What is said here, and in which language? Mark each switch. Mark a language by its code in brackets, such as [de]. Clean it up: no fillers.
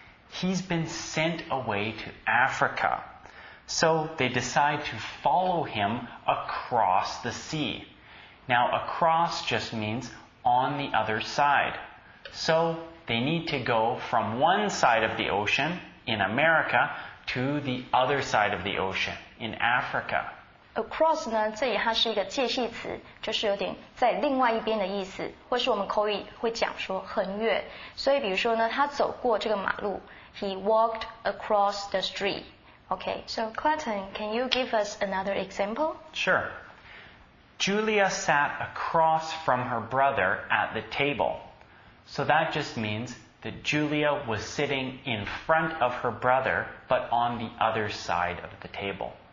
[en] He's been sent away to Africa. So they decide to follow him across the sea. Now, across just means on the other side. So they need to go from one side of the ocean in America to the other side of the ocean in Africa. [zh] Across 呢，这里它是一个介系词，就是有点在另外一边的意思，或是我们口语会讲说横越。所以比如说呢，他走过这个马路。 [en] He walked across the street. Okay, so Clinton, can you give us another example? Sure. Julia sat across from her brother at the table. So that just means that Julia was sitting in front of her brother, but on the other side of the table.